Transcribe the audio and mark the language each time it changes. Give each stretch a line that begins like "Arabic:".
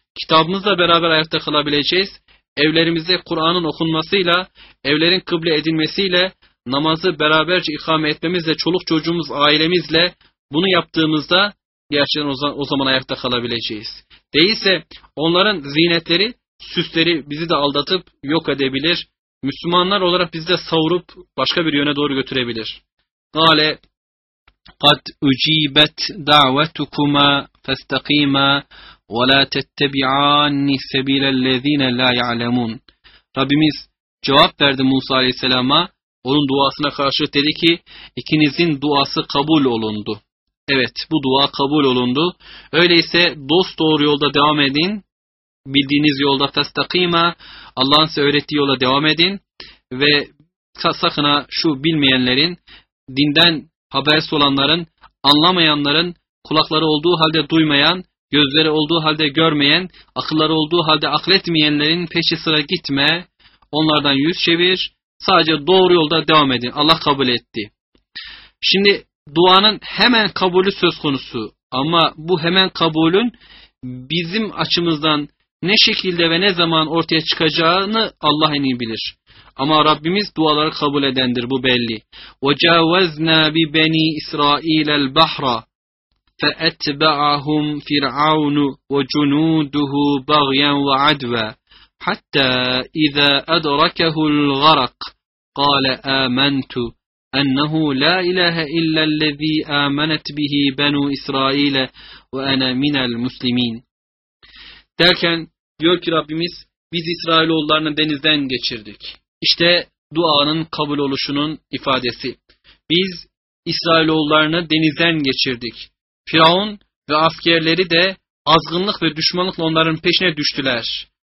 Turkish: Kitabımızla beraber ayakta kalabileceğiz. Evlerimizde Kur'an'ın okunmasıyla, evlerin kıble edilmesiyle, namazı beraberce ikame etmemizle, çoluk çocuğumuz, ailemizle bunu yaptığımızda gerçekten o zaman ayakta kalabileceğiz. Değilse onların zinetleri, süsleri bizi de aldatıp yok edebilir. Müslümanlar olarak bizi de savurup başka bir yöne doğru götürebilir.
Arabic: Kale قَدْ اُج۪يبَتْ دَعْوَتُكُمَا فَاسْتَق۪يمَا وَلَا تَتَّبِعَانِ سَب۪يلَ الَّذ۪ينَ لَا يَعْلَمُونَ
Turkish: Rabbimiz cevap verdi Musa Aleyhisselam'a. Onun duasına karşı dedi ki, ikinizin duası kabul olundu. Evet, bu dua kabul olundu. Öyleyse dost doğru yolda devam edin. Bildiğiniz yolda festakima, Allah'ın size öğrettiği yola devam edin. Ve sakın şu bilmeyenlerin, dinden habersiz olanların, anlamayanların, kulakları olduğu halde duymayan, gözleri olduğu halde görmeyen, akılları olduğu halde akletmeyenlerin peşi sıra gitme. Onlardan yüz çevir. Sadece doğru yolda devam edin. Allah kabul etti. Şimdi duanın hemen kabulü söz konusu. Ama bu hemen kabulün bizim açımızdan ne şekilde ve ne zaman ortaya çıkacağını Allah en iyi bilir. Ama Rabbimiz duaları kabul edendir, bu belli.
Arabic: وَجَاوَزْنَا بِبَنِي إِسْرَائِيلَ الْبَحْرَ فَاَتْبَعَهُمْ فِرْعَوْنُ وَجُنُودُهُ بَغْيًا وَعَدْوًا حَتَّى اِذَا اَدْرَكَهُ الْغَرَقُ قَالَ آمَنْتُ أنه لا إله إلا الذي آمنت به بنو إسرائيل وأنا من المسلمين.
Turkish: Derken diyor ki Rabbimiz, biz İsrailoğullarını denizden geçirdik. İşte duanın kabul oluşunun ifadesi. Biz İsrailoğullarını denizden geçirdik. Firavun ve askerleri de azgınlık ve düşmanlıkla onların peşine düştüler.